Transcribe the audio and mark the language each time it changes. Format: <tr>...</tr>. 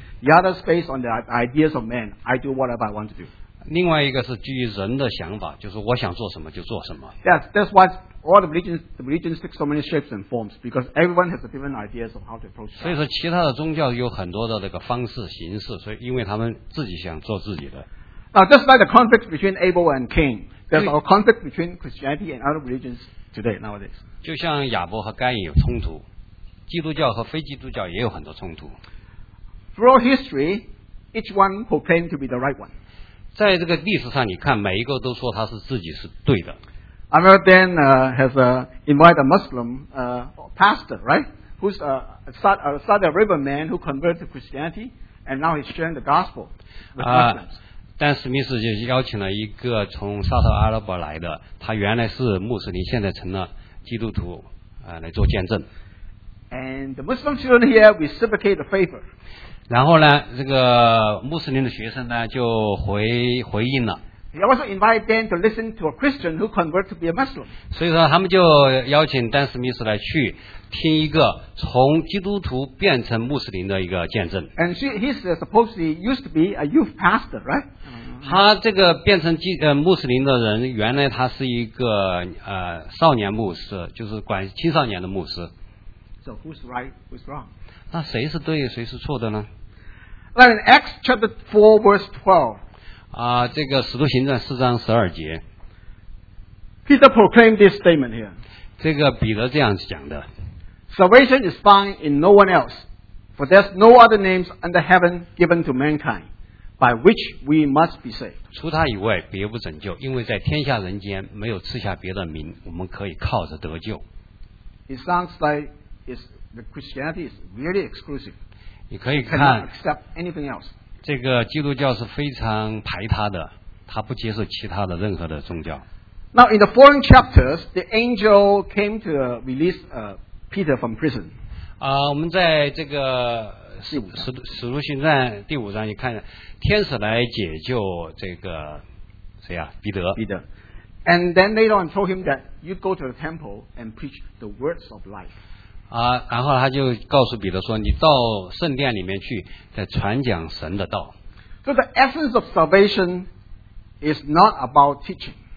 <en>The other is based on the ideas of man. I do whatever I want to do.</en> <zh>另外一个是基于人的想法，就是我想做什么就做什么。</zh> <en>That's why all the religions take so many shapes and forms because everyone has a different ideas of how to approach.</en> <zh>所以说，其他的宗教有很多的这个方式形式，所以因为他们自己想做自己的。</zh> <en>Now, just like the conflict between Abel and Cain, there's a conflict between Christianity and other religions today nowadays.</en> <zh>就像亚伯和该隐有冲突，基督教和非基督教也有很多冲突。</zh> <en>Throughout history, each one proclaimed to be the right one.</en> <zh>在这个历史上，你看每一个都说他是自己是对的。</zh> <en>Amaruddin has invited a Muslim pastor, right? Who's a Saudi Arabian man who converted to Christianity, and now he's sharing the gospel with Muslims.</en> <zh>但史密斯就邀请了一个从沙特阿拉伯来的，他原来是穆斯林，现在成了基督徒，来做见证。</zh> <en>And the Muslim children here reciprocate the favor.</en> <zh>然后呢，这个穆斯林的学生呢就回应了。</zh> <en>He also invited Dan to listen to a Christian who converted to be a Muslim.</en> <zh>所以说他们就邀请丹史密斯来去听一个从基督徒变成穆斯林的一个见证。</zh> <en>And he's supposedly used to be a youth pastor, right?</en> <zh>他这个变成穆斯林的人，原来他是一个少年牧师，就是管青少年的牧师。</zh> <en>So who's right, who's wrong?</en> <zh>那谁是对，谁是错的呢</zh> <en>？Like in Acts chapter 4 verse 12.</en> <zh>这个《使徒行传》四章十二节</zh> <en>，Peter proclaimed this statement here.</en> <zh>这个彼得这样讲的</zh> <en>：Salvation is found in no one else, for there's no other names under heaven given to mankind by which we must be saved.</en> <zh>除他以外，别无拯救，因为在天下人间没有赐下别的名，我们可以靠着得救。</zh> <en>It sounds like the Christianity is really exclusive.</en> <zh>你可以看</zh> <en>，cannot accept anything else.</en> <zh>这个基督教是非常排他的，他不接受其他的任何的宗教。</zh> <en>Now in the following chapters, the angel came to release Peter from prison.</en> <zh>我们在这个使徒行传第五章，你看，天使来解救这个谁啊？彼得。彼得。</zh> <en>And then later on, told him that you go to the temple and preach the words of life.</en> <zh>然后他就告诉彼得说你到圣殿里面去再传讲神的道。</zh> <en>So the essence of salvation is not about teaching.</en>